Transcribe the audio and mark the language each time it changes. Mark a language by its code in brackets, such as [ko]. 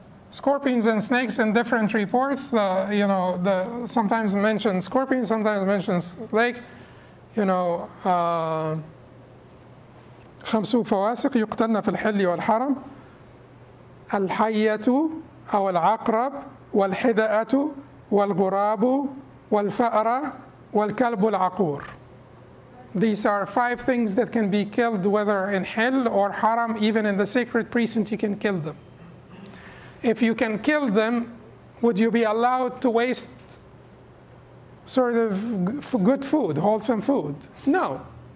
[en] Scorpions and snakes in different reports, the sometimes mentioned scorpions, sometimes mentioned snake, you know, [ar] خمس فواسق يقتلن في الحل والحرم. الحيه او العقرب والحذاءه والغراب والفأرة والكلب العقور. [en] These are five things that can be killed, whether in hell or haram, even in the sacred precinct, you can kill them. If you can kill them, would you be allowed to waste sort of good food, wholesome food? No.